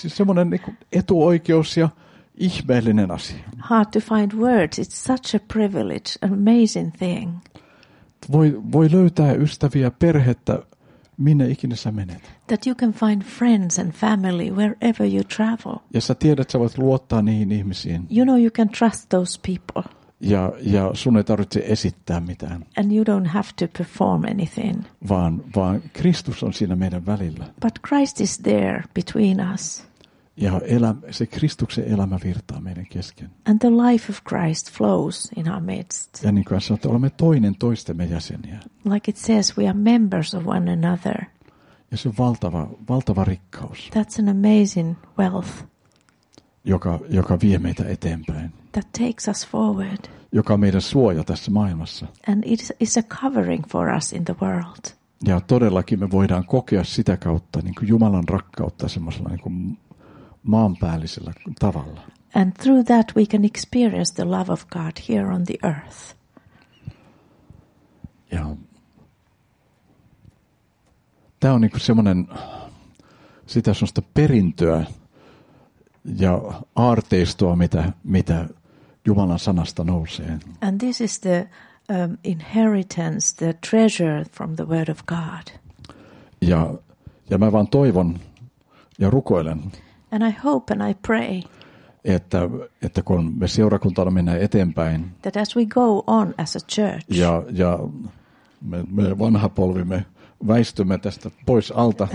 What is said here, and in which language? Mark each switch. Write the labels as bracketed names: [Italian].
[Finnish] Siis semmoinen etuoikeus ja ihmeellinen asia. [English] Hard to find words. It's such a privilege. Amazing thing. [Finnish] Voi löytää ystäviä, perhettä, minne ikinä sä menet. [English] That you can find friends and family wherever you travel. [Finnish] Ja sä tiedät, että sä voit luottaa niihin ihmisiin. [English] You know you can trust those people. [Finnish] Ja sun ei tarvitse esittää mitään. [English] And you don't have to perform anything. [Finnish] Vaan Kristus on siinä meidän välillä. [English] But Christ is there between us. [Finnish] Ja se Kristuksen elämä virtaa meidän kesken. [English] And the life of Christ flows in our midst. [Finnish] Ja niin kuin sanoit, olemme toinen toistemme jäseniä. [English] Like it says, we are members of one another. [Finnish] Ja se on valtava rikkaus. [English] That's an amazing wealth. [Finnish] Joka vie meitä eteenpäin. [English] That takes us forward. [Finnish] Joka on meidän suoja tässä maailmassa. [English] And it is a covering for us in the world. [Finnish] Ja todellakin me voidaan kokea sitä kautta niin kuin Jumalan rakkautta semmoisella niin kuin maanpäällisellä tavalla. [English] And through that we can experience the love of God here on the earth. [Finnish] Ja tämä on niin kuin semmoinen sellaista perintöä. Ja aarteistoa, mitä Jumalan sanasta nousee. [English] And this is the inheritance, the treasure from the word of God. [Finnish] Ja mä vaan toivon ja rukoilen. [English] And I hope and I pray. [Finnish] Että kun me seurakuntana mennään eteenpäin. [English] That as we go on as a church. [Finnish] Ja me vanha polvimme väistymme tästä pois alta.